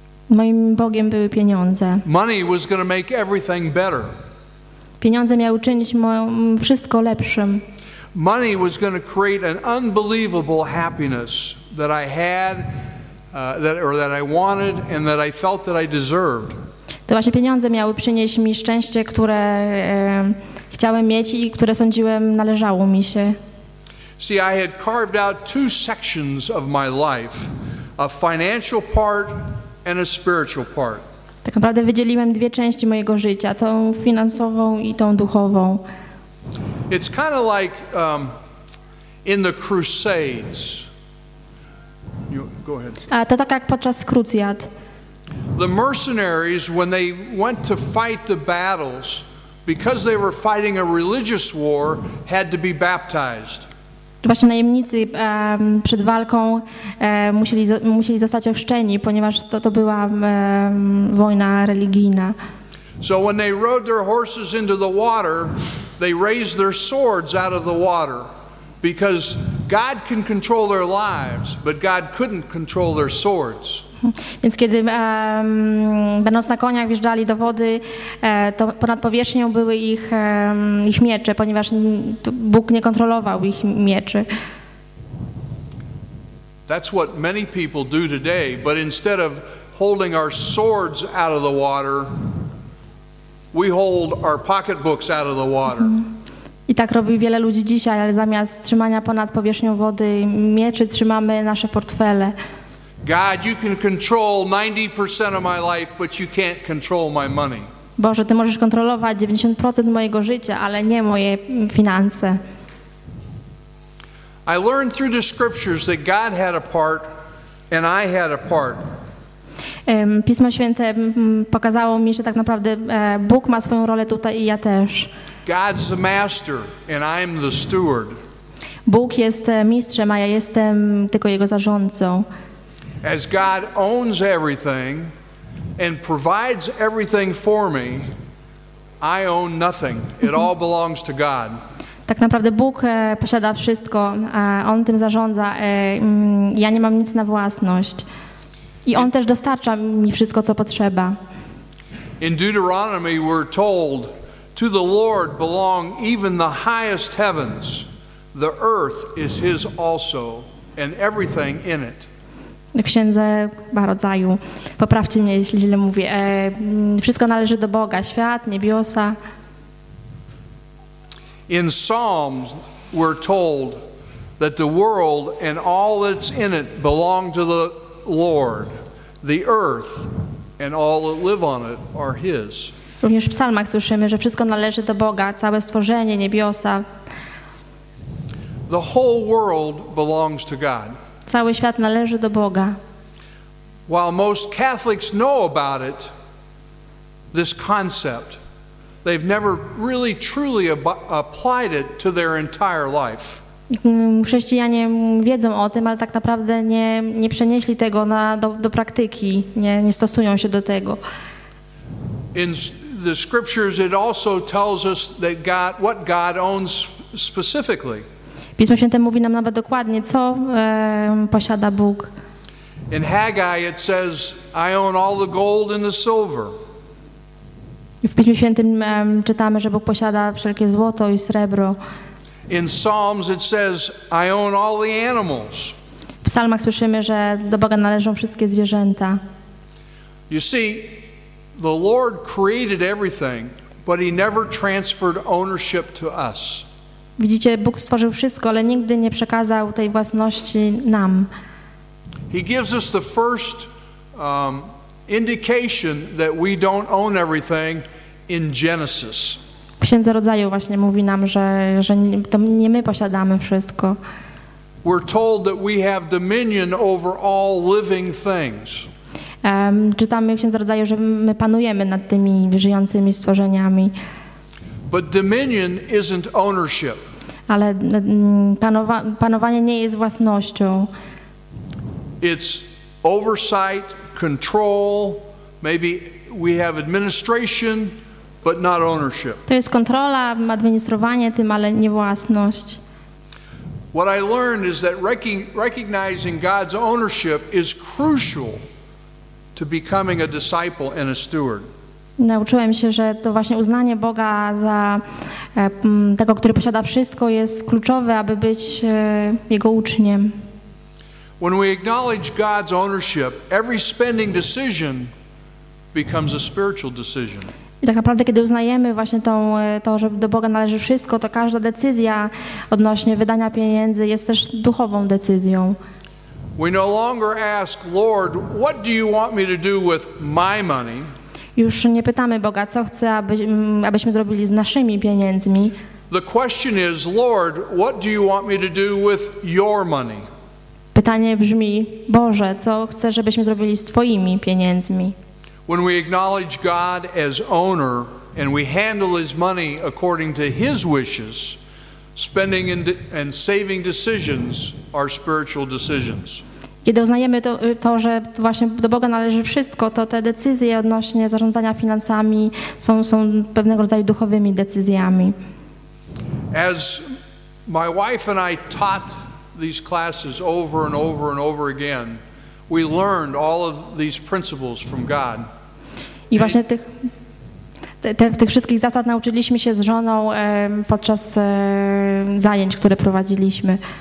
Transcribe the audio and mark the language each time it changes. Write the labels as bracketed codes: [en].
[pl] Moim Bogiem były pieniądze. [en] Money was going to make everything better. [pl] Pieniądze miały uczynić wszystko lepszym. [en] Money was going to create an unbelievable happiness that I had, that I wanted, and that I felt that I deserved. [pl] To właśnie pieniądze miały przynieść mi szczęście, które chciałem mieć i które sądziłem należało mi się. [en] See, I had carved out two sections of my life, a financial part and a spiritual part. [pl] Tak naprawdę wydzieliłem dwie części mojego życia, tą finansową i tą duchową. [en] It's kind of like in the Crusades. Go ahead. [pl] A to tak jak podczas krucjat. [en] The mercenaries, when they went to fight the battles, because they were fighting a religious war, had to be baptized. [pl] Właśnie najemnicy przed walką musieli zostać ochrzczeni, ponieważ to była wojna religijna. [en] So when they rode their horses into the water, they raised their swords out of the water, because God can control their lives, but God couldn't control their swords. [pl] Więc kiedy będąc na koniach wjeżdżali do wody, to ponad powierzchnią były ich, ich miecze, ponieważ Bóg nie kontrolował ich mieczy. [en] That's what many people do today, but instead of holding our swords out of the water, we hold our pocketbooks out of the water. [pl] I tak robi wiele ludzi dzisiaj, ale zamiast trzymania ponad powierzchnią wody mieczy, trzymamy nasze portfele. [en] God, you can control 90% of my life, but you can't control my money. [pl] Boże, ty możesz kontrolować 90% mojego życia, ale nie moje finanse. [en] I learned through the scriptures that God had a part and I had a part. [pl] Pismo Święte pokazało mi, że tak naprawdę Bóg ma swoją rolę tutaj i ja też. [en] God's the master and I'm the steward. [pl] Bóg jest mistrzem, a ja jestem tylko jego zarządcą. [en] As God owns everything and provides everything for me, I own nothing. It all belongs to God. [pl] Tak naprawdę Bóg posiada wszystko, on tym zarządza. Ja nie mam nic na własność. I on też dostarcza mi wszystko, co potrzeba. [en] In Deuteronomy we're told, to the Lord belong even the highest heavens. The earth is his also and everything in it. [pl] Księdze Rodzaju, poprawcie mnie, jeśli źle mówię. Wszystko należy do Boga, świat, niebiosa. [en] In Psalms we're told that the world and all that's in it belong to the Lord. The earth and all that live on it are his. [pl] Również w psalmach słyszymy, że wszystko należy do Boga, całe stworzenie, niebiosa. [en] The whole world belongs to God. [pl] Cały świat należy do Boga. [en] While most Catholics know about it, this concept, they've never really truly applied it to their entire life. [pl] Chrześcijanie wiedzą o tym, ale tak naprawdę nie przenieśli tego do praktyki, nie stosują się do tego. [en] In the scriptures it also tells us that God, what God owns specifically. [pl] Pismo Święte mówi nam nawet dokładnie, co posiada Bóg. [en] In Haggai it says, I own all the gold and the silver. [pl] W Piśmie Świętym czytamy, że Bóg posiada wszelkie złoto i srebro. [en] In Psalms it says, I own all the animals. [pl] W psalmach słyszymy, że do Boga należą wszystkie zwierzęta. [en] You see, the Lord created everything, but he never transferred ownership to us. [pl] Widzicie, Bóg stworzył wszystko, ale nigdy nie przekazał tej własności nam. [en] He gives us the first indication that we don't own everything in Genesis. [pl] W Księdze Rodzaju właśnie mówi nam, że to nie my posiadamy wszystko. [en] We're told that we have dominion over all living things. [pl] Czytamy w Księdze Rodzaju, że my panujemy nad tymi żyjącymi stworzeniami. [en] But dominion isn't ownership. [pl] Ale panowanie nie jest własnością. [en] It's oversight, control, maybe we have administration, but not ownership. [pl] To jest kontrola, administrowanie tym, ale nie własność. [en] What I learned is that recognizing God's ownership is crucial to becoming a disciple and a steward. [pl] Nauczyłem się, że to właśnie uznanie Boga za tego, który posiada wszystko, jest kluczowe, aby być jego uczniem. [en] When we acknowledge God's ownership, every spending decision becomes a spiritual decision. [pl] I tak naprawdę, kiedy uznajemy właśnie to, że do Boga należy wszystko, to każda decyzja odnośnie wydania pieniędzy jest też duchową decyzją. [en] We no longer ask, Lord, what do you want me to do with my money? [pl] Już nie pytamy Boga, co chce, abyśmy zrobili z naszymi pieniędzmi. [en] The question is, Lord, what do you want me to do with your money? [pl] Pytanie brzmi, Boże, co chcę, żebyśmy zrobili z Twoimi pieniędzmi? [en] When we acknowledge God as owner and we handle his money according to his wishes, spending and saving decisions are spiritual decisions. [pl] Kiedy uznajemy to, że właśnie do Boga należy wszystko, to te decyzje odnośnie zarządzania finansami są pewnego rodzaju duchowymi decyzjami. [en] As my wife and I taught these classes over and over and over again, we learned all of these principles from God. [pl] I właśnie tych wszystkich zasad nauczyliśmy się z żoną podczas zajęć, które prowadziliśmy.